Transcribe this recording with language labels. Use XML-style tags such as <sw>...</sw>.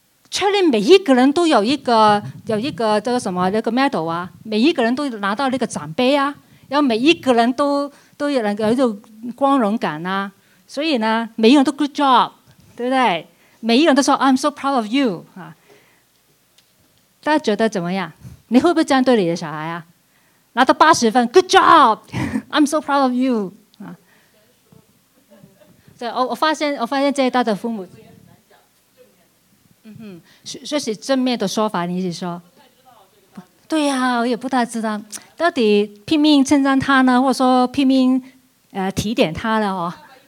<zh>确认每一个人都有一个叫什么那个 medal 啊，每一个人都拿到那个奖杯啊，然后每一个人都有那个有光荣感啊，所以呢，每一个人都</zh> <en>good job，</en> <zh>对不对？每一个人都说</zh> <en>I'm so proud of you</en> <zh>啊，大家觉得怎么样？你会不会这样对你的小孩啊？拿到八十分</zh> <en>，good job， I'm so proud of you。</en> <zh>对，我发现这一代的父母，说起正面的说法，你一起说。对呀、啊，我也不太知道，到底拼命称赞他呢，或者说拼命提点他呢？哦。啊。</zh>